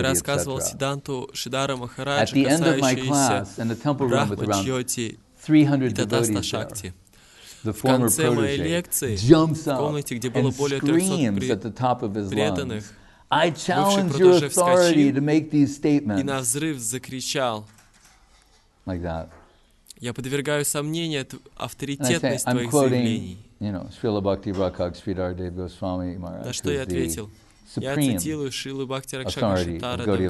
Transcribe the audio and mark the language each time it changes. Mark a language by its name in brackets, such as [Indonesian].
[Russian] Я рассказывал Сиддханту Шридхара Махараджа, [English] at the end of my class, in the temple room with around 300 devotees there, the former protege jumps up and screams at the top of his lungs, I challenge your authority to make these statements. [Russian] И на взрыв закричал. [English] Like that. [Russian] Я подвергаю сомнению авторитетность твоих заявлений. [English] You know, Srila Bhakti Rakhag Sridhar Dev Goswami Maharaj is the supreme authority of Gaudiya